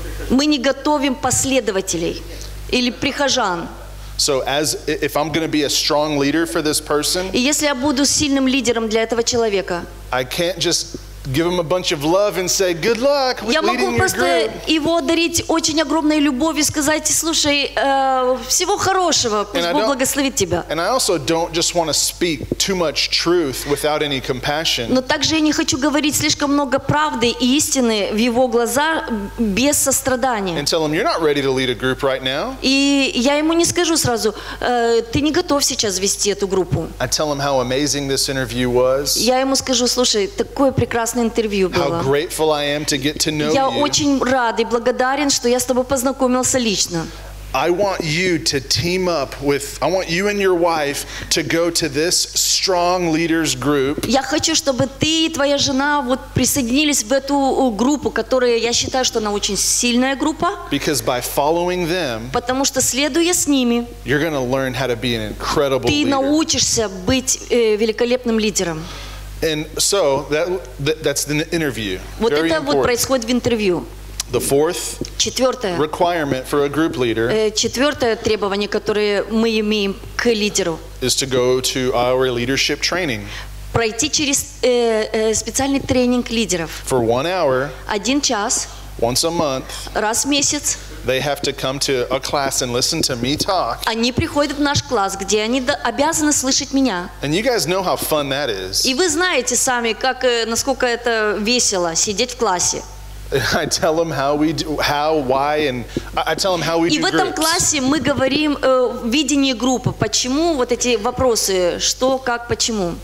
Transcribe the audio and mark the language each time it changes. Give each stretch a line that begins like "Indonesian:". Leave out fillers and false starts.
Russian: Мы не готовим последователей или прихожан.
English: So as if I'm going to be a strong leader for this person.
Russian: И если я буду сильным лидером для этого человека.
English: I can't just give him a bunch of love and say good luck with leading your group.
Russian: Я могу просто его одарить очень огромной любовью и сказать: слушай, всего хорошего, пусть Бог благословит тебя.
English: And I also don't just want to speak too much truth without any compassion.
Russian: Но также я не хочу говорить слишком много правды и истины в его глаза без сострадания.
English: And tell him you're not ready to lead a group right now.
Russian: И я ему не скажу сразу: ты не готов сейчас вести эту группу.
English: I tell him how amazing this interview was.
Russian: Я ему скажу: слушай, такое прекрасное интервью было.
English: How grateful I am to get to know you.
Russian: Я очень рад и благодарен, что я с тобой познакомился лично.
English: I want you to team up with, I want you and your wife to go to this strong leaders group.
Russian: Я хочу, чтобы ты и твоя жена вот присоединились в эту группу, которая, я считаю, что она очень сильная группа.
English: Because by following them,
Russian: потому что следуя с ними,
English: you're going to learn how to be an incredible leader.
Russian: Ты научишься быть великолепным лидером.
English: And so that's the interview.
Russian: Вот
English: very
Russian: это
English: important.
Russian: Вот происходит в интервью.
English: The fourth
Russian: четвертое.
English: Requirement for a group leader.
Russian: Четвертое требование, которое мы имеем к лидеру.
English: Is to go to our leadership training.
Russian: Пройти через специальный тренинг лидеров.
English: For 1 hour.
Russian: Один час.
English: Once a month.
Russian: Раз в месяц.
English: They have to come to a class and listen to me talk.
Russian: Они приходят в наш класс, где они обязаны слышать меня.
English: And you guys know how fun that is.
Russian: И вы знаете сами, насколько это весело сидеть в классе.
English: I tell them how we do, how, why, and I tell them how we do groups.
Russian: И в этом классе мы говорим видение группы, почему вот эти вопросы, что, как, почему.